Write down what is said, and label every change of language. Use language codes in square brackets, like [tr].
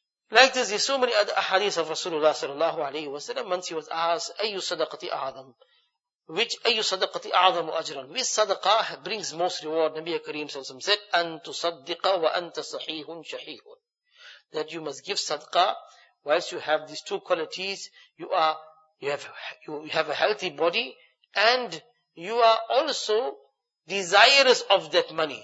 [en] Like this, there's so many other hadith of Rasulullah sallallahu alayhi wa sallam. Once he was asked, [ar] أَيُّ صَدَقَةِ أَعْظَمُ. [en] Which, [ar] أَيُّ صَدَقَةِ أَعْظَمُ أَجْرًا. [en] Which sadaqah brings most reward? Nabi Kareem sallallahu alayhi wa sallam said, [ar] أَنْتُ صَدِّقَ وَأَنْتَ صَحِيحٌ شَحِيحٌ. [en] That you must give sadaqah whilst you have these two qualities. You have a healthy body and you are also desirous of that money.